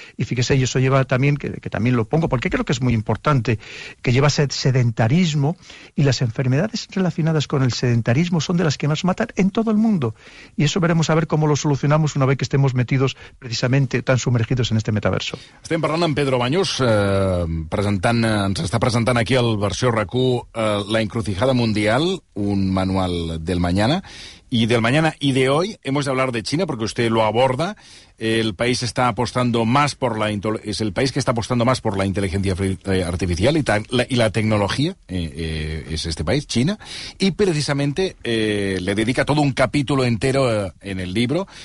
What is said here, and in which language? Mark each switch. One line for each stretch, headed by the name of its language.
Spanish: Y fíjese, y eso lleva también, que también lo pongo, porque creo que es muy importante, que lleva sedentarismo, y las enfermedades relacionadas con el sedentarismo son de las que más matan en todo el mundo. Y eso veremos a ver cómo lo solucionamos una vez que estemos metidos precisamente tan sumergidos en este metaverso.
Catalan: Estem parlant amb Pedro Baños, ens està presentant aquí el versió RAC1, La encrucijada mundial, un manual del mañana.
Spanish: Y del mañana y de hoy hemos de hablar de China, porque usted lo aborda. El país está apostando más por la inteligencia artificial y la tecnología, es este país, China, y precisamente le dedica todo un capítulo entero en el libro.